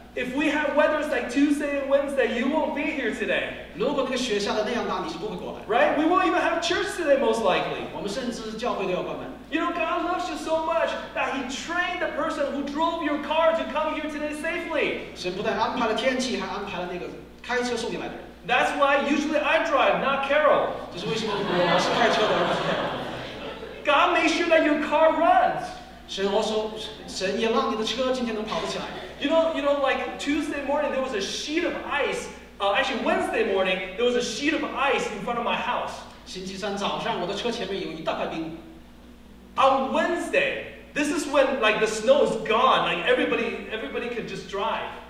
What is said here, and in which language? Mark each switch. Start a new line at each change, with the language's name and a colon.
English: If we have weathers like Tuesday and Wednesday, you won't be here today.
Chinese: 如果那个雪下的那样大,
English: right? We won't even have church today, most likely.
Chinese: 我们甚至教会都要关门.
English: You know, God loves you so much that He trained the person who drove your car to come here today safely.
Chinese: 神不但安排了天气，还安排了那个开车送你来的人.
English: That's why usually I drive, not Carol. God made sure that your car runs.
Chinese: 神也让你的车今天能跑得起来.
English: You know, like Tuesday morning, there was a sheet of ice. Wednesday morning, there was a sheet of ice in front of my house.
Chinese: 星期三早上,我的车前面有一大块冰.
English: On Wednesday, this is when like the snow is gone, like everybody can just drive.